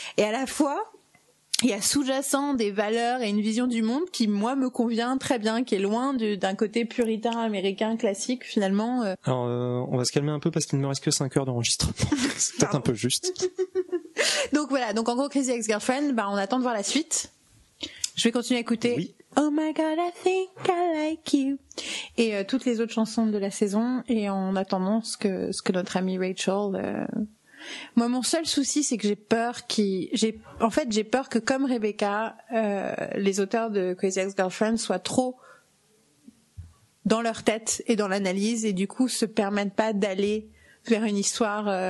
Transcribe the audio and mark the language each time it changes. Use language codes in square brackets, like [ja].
[fr] Et à la fois, il y a sous-jacent des valeurs et une vision du monde qui, moi, me convient très bien, qui est loin d'un côté puritain américain classique, finalement. Alors, on va se calmer un peu parce qu'il ne me reste que 5 heures d'enregistrement. C'est peut-être un peu juste. Donc voilà, donc en gros, Crazy Ex-Girlfriend, on attend de voir la suite. Je vais continuer à écouter oui. [en] Oh my god, I think I like you. [fr] Et toutes les autres chansons de la saison, et en attendant ce que notre amie Rachel. Moi, mon seul souci, c'est que j'ai peur que, comme Rebecca, les auteurs de Crazy Ex-Girlfriend soient trop dans leur tête et dans l'analyse, et du coup, se permettent pas d'aller vers une histoire.